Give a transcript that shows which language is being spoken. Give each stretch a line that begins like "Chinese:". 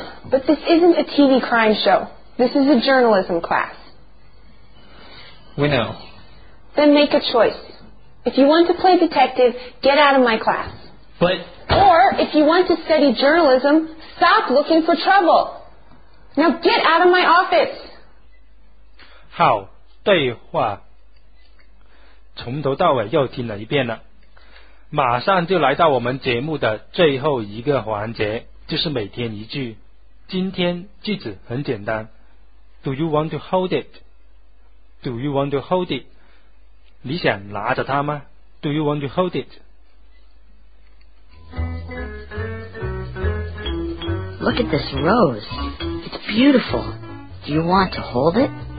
English: but this isn't a TV crime show. This is a journalism class. We know. Then make a choice. If you want to play detective, get out of my class. But... Or, if you want to study journalism, stop looking for trouble. Now get out of my office.
Chinese: 好，对话从头到尾又听了一遍了。马上就来到我们节目的最后一个环节，就是每天一句。今天句子很简单 ，
English: Do you want to hold it? Do you want to hold it?
Chinese: 你想拿着它吗
English: ？Do you want to hold it? Look at this rose. It's beautiful. Do you want to hold it?